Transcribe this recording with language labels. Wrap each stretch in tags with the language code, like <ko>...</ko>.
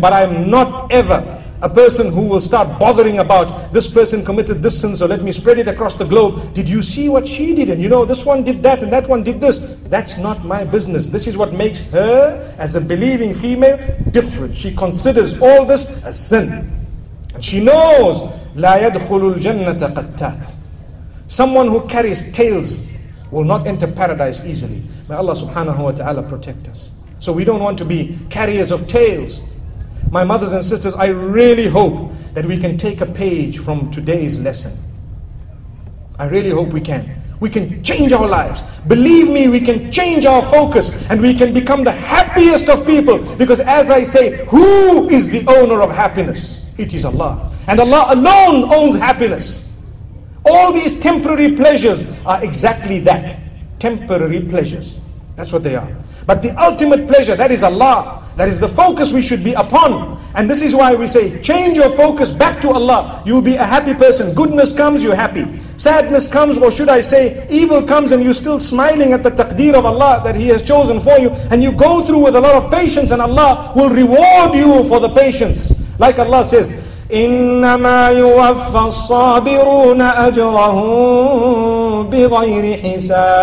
<en>But I'm not ever a person who will start bothering about this person committed this sin, so let me spread it across the globe. Did you see what she did? And you know, this one did that and that one did this. That's not my business. This is what makes her, as a believing female, different. She considers all this a sin. And she knows,</en> <ar>لا يدخل الجنة قتات.</ar> <en>Someone who carries tails will not enter paradise easily. May Allah subhanahu wa ta'ala protect us. So we don't want to be carriers of tails. My mothers and sisters, I really hope that we can take a page from today's lesson. I really hope we can. We can change our lives. Believe me, we can change our focus and we can become the happiest of people. Because as I say, who is the owner of happiness? It is Allah. And Allah alone owns happiness. All these temporary pleasures are exactly that. Temporary pleasures. That's what they are. But the ultimate pleasure, that is Allah. That is the focus we should be upon. And this is why we say, change your focus back to Allah. You'll be a happy person. Goodness comes, you're happy. Sadness comes, or should I say, evil comes, and you're still smiling at the taqdeer of Allah that He has chosen for you. And you go through with a lot of patience, and Allah will reward you for the patience. Like Allah says,</en> <ar>إِنَّمَا يُوَفَّى الصَّابِرُونَ أَجْرَهُمْ بِغَيْرِ حِسَابٍ.</ar>